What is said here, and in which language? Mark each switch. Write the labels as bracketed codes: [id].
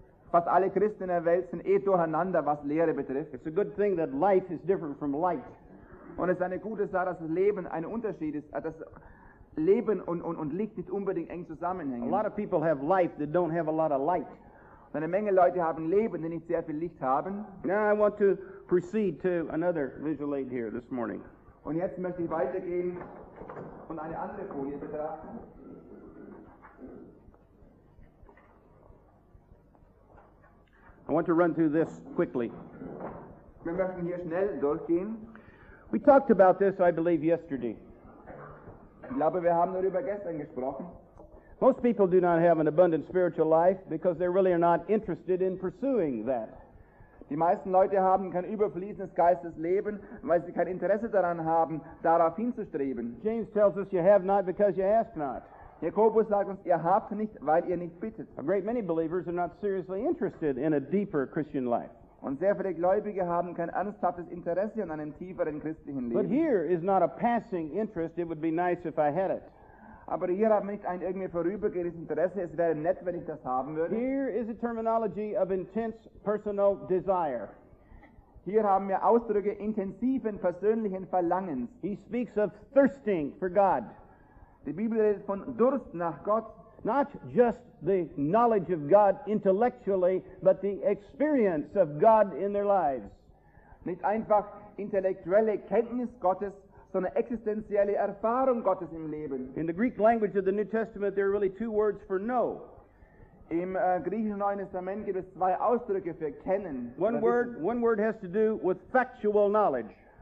[de] Fast alle Christen in der Welt sind eh durcheinander, was Lehre betrifft. [en] It's a good thing that life is different from light. [de] Und es ist eine gute Sache, dass das Leben ein Unterschied ist, dass Leben und Licht nicht unbedingt eng zusammenhängen. [en] A lot of people have life that don't have a lot of light. [de] Eine Menge Leute haben Leben, die nicht sehr viel Licht haben. [en] Now I want to proceed to another visual aid here this morning. [de] Und jetzt möchte ich weitergehen und eine andere Folie betrachten. [en] I want to run through this quickly. [de] Wir möchten hier schnell durchgehen. [en] We talked about this, I believe, yesterday. [de] Ich glaube, wir haben darüber gestern gesprochen. [en] Most people do not have an abundant spiritual life because they really are not interested in pursuing that. [de] Die meisten Leute haben kein überfließendes Geistesleben, weil sie kein Interesse daran haben, darauf hinzustreben. [en] James tells us you have not because you ask not. [de] Jakobus sagt uns, ihr habt nicht, weil ihr nicht bittet. [en] A great many believers are not seriously interested in a deeper Christian life. [de] Und sehr viele Gläubige haben kein ernsthaftes Interesse an einem tieferen christlichen Leben. [en] But here is not a passing interest. It would be nice if I had it. [de] Aber hier hat nicht ein irgendwie vorübergehendes Interesse. Es wäre nett, wenn ich das haben würde. [en] Here is a terminology of intense personal desire. [de] Hier haben wir Ausdrücke intensiven persönlichen Verlangens. [en] He speaks of thirsting for God. [de] Die Bibel redet von Durst nach Gott. [en] Not just the knowledge of God intellectually, but the experience of God in their lives. [de] Nicht einfach intellektuelle Kenntnis Gottes, sondern existenzielle Erfahrung Gottes im Leben. [en] In the Greek language of the New Testament, there are really two words for know. [de] Im griechischen Neuen Testament gibt es zwei Ausdrücke für kennen. [en] One word has to do with factual knowledge.